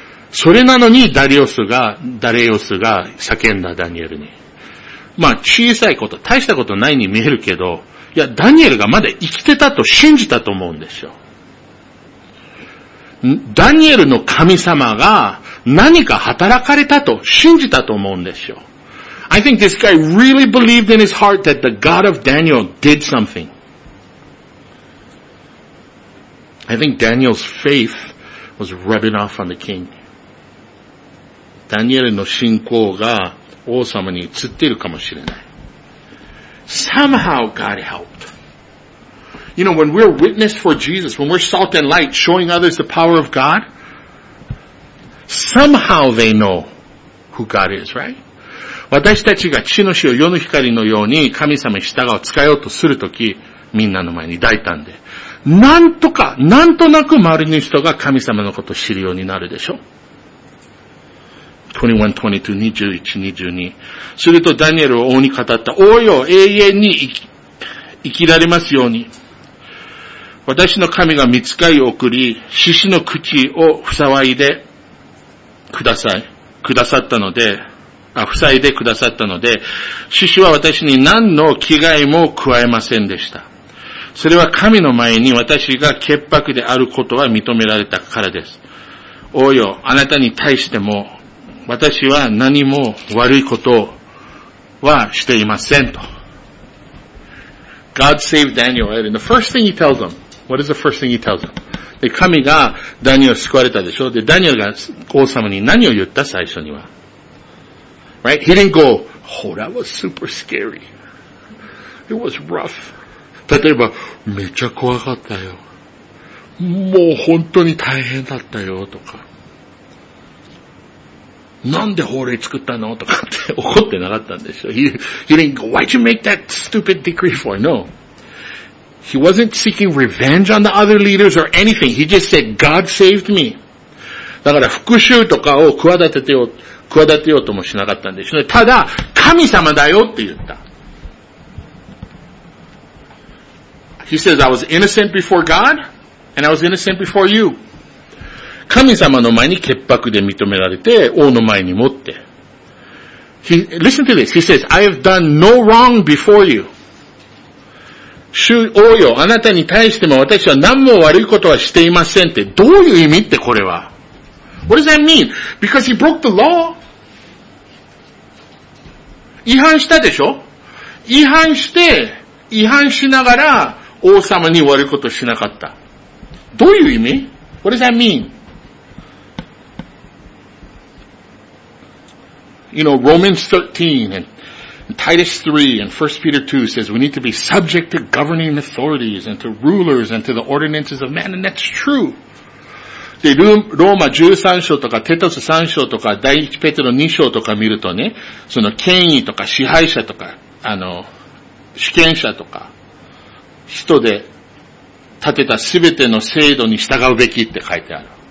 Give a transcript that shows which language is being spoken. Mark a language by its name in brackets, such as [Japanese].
[Japanese] それなのにダリオスが、ダレオスが叫んだダニエルに。まあ小さいこと、大したことないに見えるけど、いや、ダニエルがまだ生きてたと信じたと思うんですよ。ダニエルの神様が何か働かれたと信じたと思うんですよ。 [English] I think this guy really believed in his heart that the God of Daniel did something. I think Daniel's faith was rubbing off on the king. [Japanese] ダニエルの信仰が王様に移っているかもしれない。 [English] Somehow God helped. You know, when we're witness for Jesus, when we're salt and light, showing others the power of God, somehow they know who God is, right? [Japanese] 私たちが地の塩、世の光のように神様に従う、使おうとするとき、みんなの前に大胆で。なんとか、なんとなく周りの人が神様のことを知るようになるでしょ。 21:22。するとダニエルは王に語った。王よ、永遠に生きられますように。私の神が御使いを送り、獅子の口をふさわいでください。くださったので、塞いでくださったので、獅子は私に何の危害も加えませんでした。それは神の前に私が潔白であることは認められたからです。王よ、あなたに対しても、私は何も悪いことはしていませんと。 [English] God saved Daniel, right? And the first thing he tells them, what is the first thing he tells them? [Japanese] で、神がダニエルを救われたでしょ。で、ダニエルが王様に何を言った最初には。 [English] Right? He didn't go, oh, that was super scary. It was rough. [Japanese] 例えば、めっちゃ怖かったよ。もう本当に大変だったよ、とか。なんで法令作ったの?とかって怒ってなかったんでしょ。 [English] He didn't go, why'd you make that stupid decree for? No. He wasn't seeking revenge on the other leaders or anything. He just said, God saved me. [Japanese] だから復讐とかを企てようともしなかったんでしょうね。ただ、神様だよって言った。 [English] He says, I was innocent before God, and I was innocent before you. [Japanese] 神様の前に潔白で認められて、王の前に持って。 [English] Listen to this. He says, I have done no wrong before you. [Japanese] 主王よ、あなたに対しても私は何も悪いことはしていませんって。どういう意味ってこれは。 [English] What does that mean? Because he broke the law. [Japanese] 違反したでしょ? 違反して、違反しながら王様に悪いことしなかった。どういう意味? [English] What does that mean? You know, Romans 13 and Titus 3 and 1 Peter 2 says we need to be subject to governing authorities and to rulers and to the ordinances of man, and that's true. [Japanese] で、ローマ13章とか、テトス3章とか、第1ペテロ2章とか見るとね、その権威とか支配者とか、主権者とか、人で立てたすべての制度に従うべきって書いてある。